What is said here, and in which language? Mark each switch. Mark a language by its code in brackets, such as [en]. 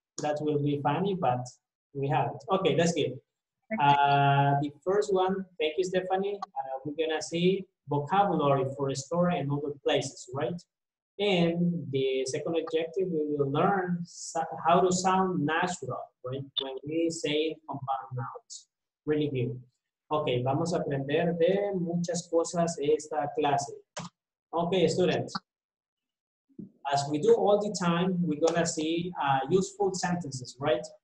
[en] That will be funny, but we have it. Okay, that's good. The first one, thank you, Stephanie. We're gonna see vocabulary for a store and other places, right? And the second objective, we will learn how to sound natural, right? When we say compound nouns. Really good. [es] Okay, vamos a aprender de muchas cosas esta clase. [en] Okay, students. As we do all the time, we're gonna see useful sentences, right?